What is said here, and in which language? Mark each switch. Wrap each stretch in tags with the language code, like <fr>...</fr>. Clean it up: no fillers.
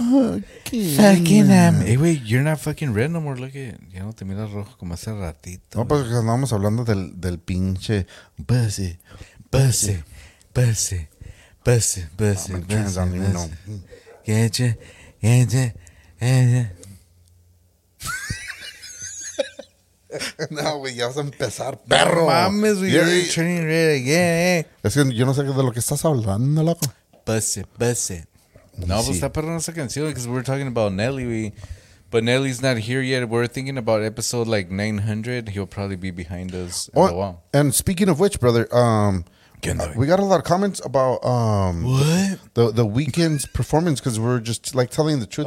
<en>fucking hey, wait, you're not fucking red no more. Look at it.</en> <es>Ya no te miras rojo como hace ratito. No, porque andamos hablando del pinche Buzzy, Buzzy, Buzzy, Buzzy, Buzzy, Buzzy.</es> <en>Get you, get you, get you.</en> <es>No, güey, ya vas a empezar, perro. Mames, güey,</es> <en>you're turning red again, eh.</en> <es>Es que yo no sé de lo que estás hablando, loco. Buzzy, Buzzy.</es> <en>No, but stop putting on a second ceiling because we're talking about Nelly. But Nelly's not here yet. We're thinking about episode like 900. He'll probably be behind us. Oh, in a while. And speaking of which, brother, we got a lot of comments about the weekend's performance because we're just like telling the truth.</en>